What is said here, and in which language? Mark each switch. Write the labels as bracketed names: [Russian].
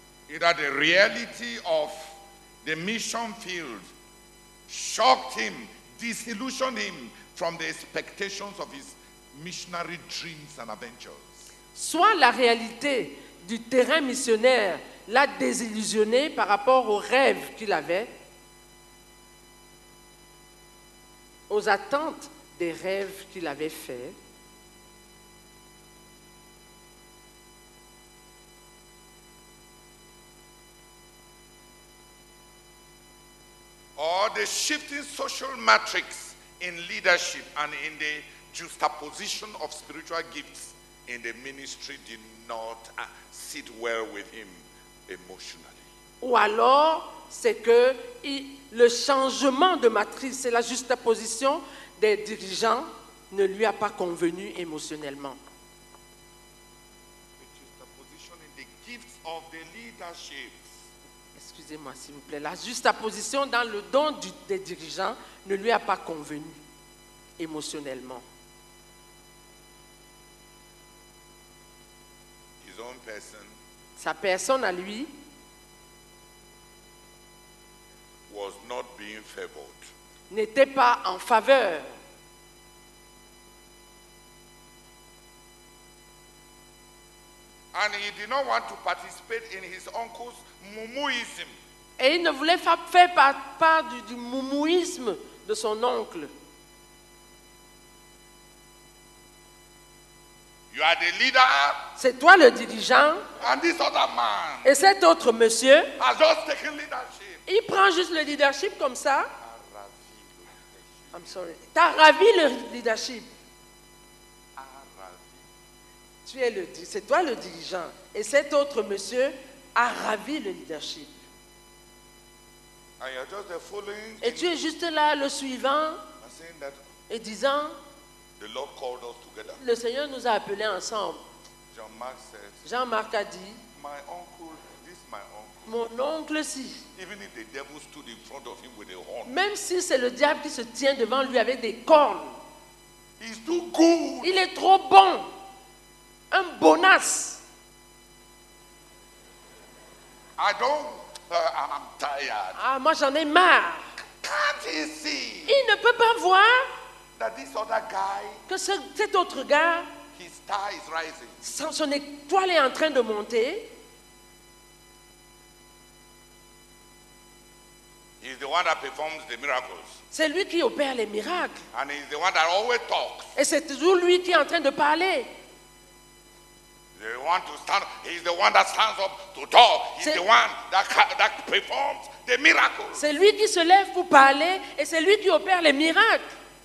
[English] Either the reality of the mission field shocked him, disillusioned him from the expectations of his missionary dreams and adventures. [French] Soit la réalité du terrain missionnaire l'a désillusionné par rapport aux rêves qu'il avait, aux attentes des rêves qu'il avait faits. [English] Or the shifting social matrix in leadership and in the juxtaposition of spiritual gifts in the ministry did not sit well with him emotionally. [French] Ou alors, c'est que le changement de matrice et la juxtaposition des dirigeants ne lui a pas convenu émotionnellement. [English] The juxtaposition in the gifts of the leadership. [French] Excusez-moi, s'il vous plaît. La juxtaposition dans le don des dirigeants ne lui a pas convenu émotionnellement. [English] His own person, [French] sa personne à lui, [English] was not being favored, [French] n'était pas en faveur. [English] And he did not want to participate in his uncle's mumuism. [French] Et il ne voulait pas faire part du moumouisme de son oncle. [English] You are the leader. [French] C'est toi le dirigeant. [English] And this other man. [French] Et cet autre monsieur. [English] Has just taken leadership. [French] Il prend juste le leadership comme ça. [English] I'm sorry. [French] T'as ravi le leadership. C'est toi le dirigeant. Et cet autre monsieur a ravi le leadership. [English] And you're just the following. [French] Et tu es juste là, le suivant, et disant, [English] the Lord called us together. [French] Le Seigneur nous a appelés ensemble. [English] Jean-Marc, said, [French] Jean-Marc a dit, [English] my uncle, this my uncle. [French] Mon oncle, si. [English] Even if the devil stood in front of him with a horn. [French] Même si c'est le diable qui se tient devant lui avec des cornes. [English] He's too good. [French] Il est trop bon. Un bonasse. [English] I'm tired. [French] Ah, moi j'en ai marre. [English] Can't he see? [French] Il ne peut pas voir [English] that this other guy, [French] que cet autre gars, [English] his star is rising. [French] Son étoile est en train de monter. [English] He's the one that performs the miracles. [French] C'est lui qui opère les miracles. [English] And he's the one that always talks. [French] Et c'est toujours lui qui est en train de parler. [English] The one to stand, he's the one that stands up to talk. He's the one that performs the miracles. [French] C'est lui qui se lève pour parler et c'est lui qui opère les miracles.